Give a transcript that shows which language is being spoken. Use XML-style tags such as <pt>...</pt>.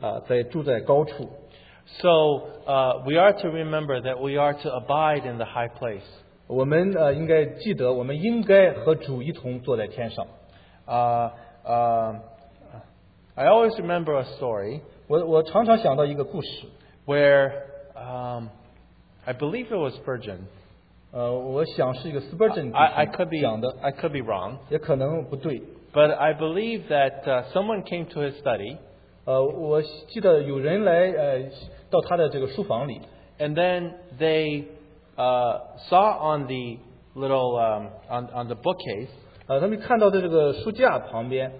<zh>在以弗所书二章第六节，他是讲到呢，他是让我们能够和他一同在住在高处。So</zh> <en>we are to remember that we are to abide in the high place.</en> <zh>我们应该记得，我们应该和主一同坐在天上。</zh> <en>I always remember a story.</en> <zh>我常常想到一个故事。</zh> <en>Where I believe it was Spurgeon. I could be wrong.</en> <zh>也可能不对,</zh> <en>but I believe that someone came to his study.</en> <zh>我记得有人来到他的这个书房里,</zh> <en>and then they saw on the little on the bookcase.</en> <zh>他们看到的这个书架旁边,</zh>